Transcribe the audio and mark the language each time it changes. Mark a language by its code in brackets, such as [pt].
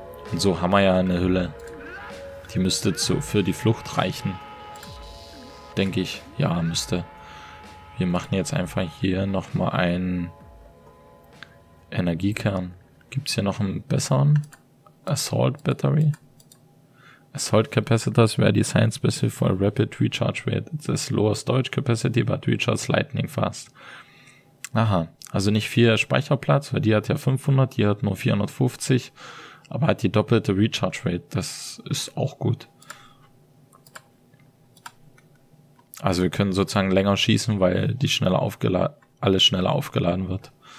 [de] Und so haben wir ja eine Hülle. Die müsste für die Flucht reichen. Denke ich. Ja, müsste. Wir machen jetzt einfach hier nochmal einen Energiekern. Gibt es hier noch einen besseren? Assault Battery? [en] Assault Capacitors were designed specifically for a rapid recharge rate. It's as low as storage capacity, but recharges lightning fast. [de] Aha. Also nicht viel Speicherplatz, weil die hat ja 500, die hat nur 450. aber hat die doppelte Recharge Rate. Das ist auch gut. Also wir können sozusagen länger schießen, weil die schneller alles schneller aufgeladen wird.